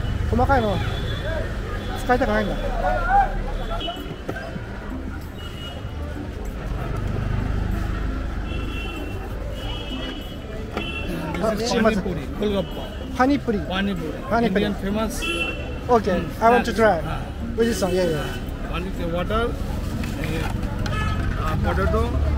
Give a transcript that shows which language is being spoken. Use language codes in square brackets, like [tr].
[ja] 細かいの使いたくないんだ。パニプリ、パニプリ、 [en] インディアンフェマス。 OK、I want to try with this one. Yeah. パニプリ、ウォーター、ポテト、